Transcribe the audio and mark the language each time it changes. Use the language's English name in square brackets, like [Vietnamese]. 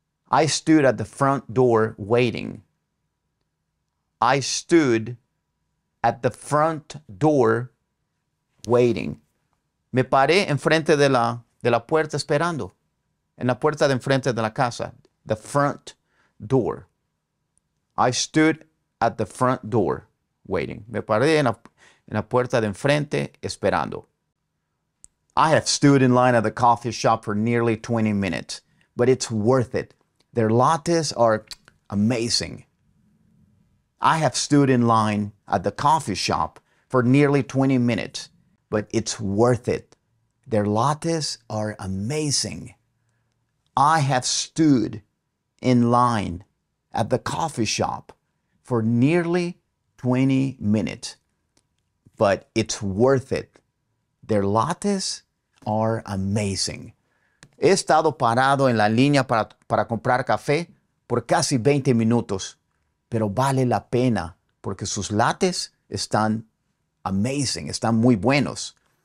[English] I stood at the front door waiting. I stood at the front door waiting. [Spanish] Me paré enfrente de la puerta esperando. En la puerta de enfrente de la casa. [English] The front door. I stood at the front door waiting. [Spanish] Me paré en la puerta de enfrente esperando. [English] I have stood in line at the coffee shop for nearly 20 minutes, but it's worth it. Their lattes are amazing. I have stood in line at the coffee shop for nearly 20 minutes, but it's worth it. Their lattes are amazing. I have stood in line at the coffee shop for nearly 20 minutes, but it's worth it. Their lattes are amazing. [Spanish] He estado parado en la línea para comprar café por casi 20 minutos, pero vale la pena porque sus lattes están amazing, están muy buenos.